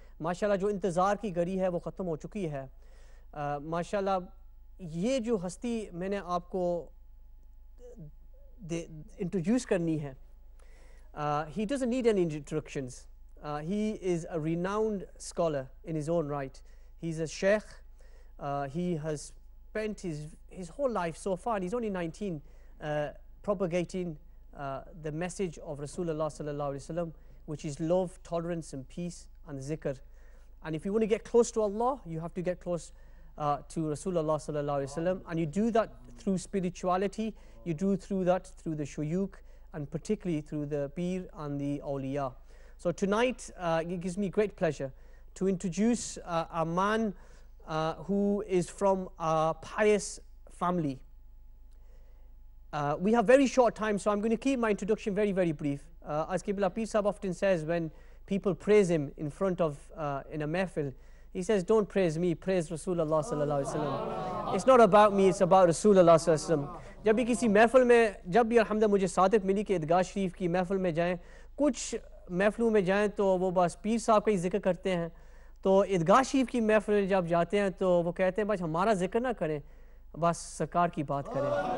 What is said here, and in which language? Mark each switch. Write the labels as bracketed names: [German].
[Hindi] माशाल्लाह, जो इंतज़ार की घड़ी है वो ख़त्म हो चुकी है। माशाल्लाह, ये जो हस्ती मैंने आपको इंट्रोड्यूस करनी है, [English] He does need an introductions. He is a renowned scholar in his own right. He is a sheikh. He has spent his whole life so far, and he's only 19, propagating the message of Rasulullah sallallahu alaihi wasallam, which is love, tolerance and peace and zikr. And if you want to get close to Allah, you have to get close to Rasulullah sallallahu alaihi wasallam, and you do that through spirituality, you do through that through the shuyukh, and particularly through the peer and the awliya. So tonight it gives me great pleasure to introduce a man who is from a pious family. We have very short time, so I'm going to keep my introduction very, very brief. As Qibla Peer Sahib often says, when people praise him in front of in a mehfil, he says, "Don't praise me, praise Rasulullah sallallahu alaihi wasallam." It's not about me; it's about Rasulullah sallallahu alaihi wasallam. [Hindi] जब भी किसी मेहफिल में, जब भी अल्हम्दुलिल्लाह मुझे सादत मिली कि ईदगाह शरीफ की मेहफिल में जाएं, कुछ मेहफिलों में जाएं तो वो बस पीर साहब का ही जिक्र करते हैं। तो ईदगाह शरीफ की महफिल में जब जाते हैं तो वो कहते हैं, बस हमारा जिक्र ना करें, बस सरकार की बात करें।